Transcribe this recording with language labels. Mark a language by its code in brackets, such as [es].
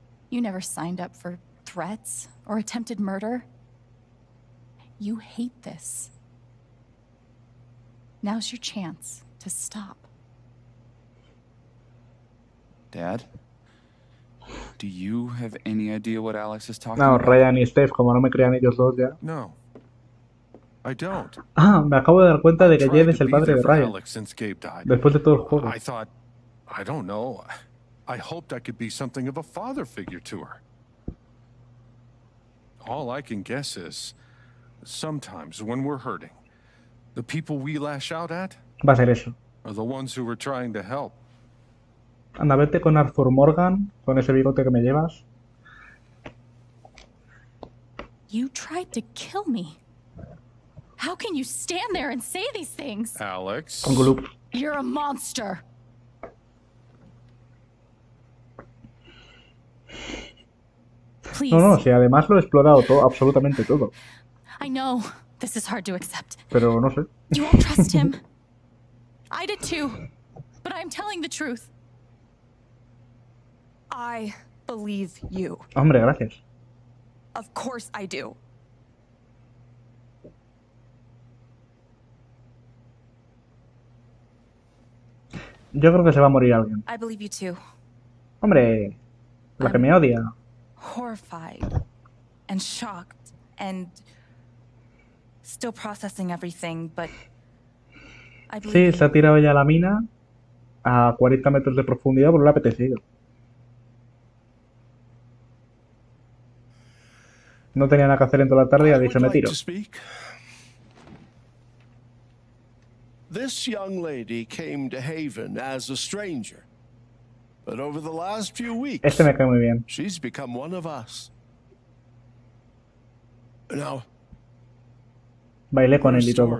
[en] You never signed up for threats or attempted murder. You hate this. Now's your chance to stop. Dad? Do you have any idea what Alex is talking [es] no, [en] about? [es] No, Ryan y Steph, como no me crean ellos dos ya. [en] No. I don't. [es] Ah, me acabo de dar cuenta de que Jed es el padre de Ryan. [en] Alex since Gabe died. [es] Después de todo el juego. [en] I thought, I don't know. I hoped I could be something of a father figure to her. All I can guess is, sometimes when we're hurting, the people we lash out at [es] va a ser eso. [en] Are the ones who were trying to help. [es] Anda, vete con Arthur Morgan, con ese bigote que me llevas. [en] You tried to kill me. How can you stand there and say these things? Alex. [es] Con Gloop. [en] You're a monster. [es] No, no, sí, además lo he explorado todo, absolutamente todo. [en] I know this is hard to accept. [es] Pero no sé. [en] You won't trust him. I did too. But I'm telling the truth. I believe you. [es] Hombre, gracias. [en] Of course I do. [es] Yo creo que se va a morir alguien. [en] I believe you too. [es] Hombre, la que me odia. [en] Horrified and shocked and still processing everything, but I believe. [es] Sí, se ha tirado ya la mina a 40 metros de profundidad porque le ha apetecido. No tenía nada que hacer en toda la tarde y ha dicho me tiro. [en] This young lady came to Haven as a stranger. But over the last few weeks, [es] este me cae muy bien. [en] She's become one of us. Now, [es] bailé con [en] her [es] él y todo.